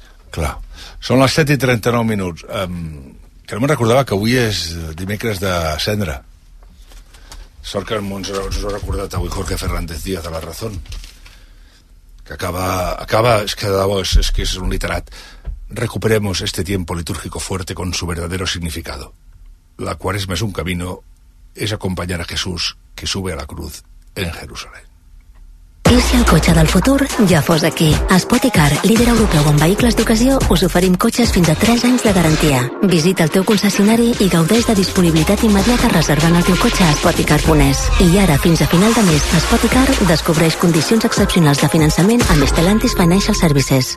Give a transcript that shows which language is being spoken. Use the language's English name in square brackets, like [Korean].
[Catalan] Clar. Són les 7 i 39 minuts. Que no me'n recordava que avui és dimecres de cendra. Sort que ens ho ha recordat avui Jorge Fernández Díaz de la Razón. Que acaba, és que de debò, és que és un literat. [Spanish] Recuperemos este tiempo litúrgico fuerte con su verdadero significado. La cuaresma es un camino, es acompañar a Jesús que sube a la cruz en Jerusalén. [Catalan] I si el cotxe del futur ja fos aquí? A Spoticar, líder europeu en vehicles d'ocasió, us oferim cotxes fins a 3 anys de garantia. Visita el teu concessionari i gaudeix de disponibilitat immediata reservant el teu cotxe a Spoticar Ponés. I ara, fins a final de mes, Spoticar descobreix condicions excepcionals de finançament amb Stellantis Financial Services.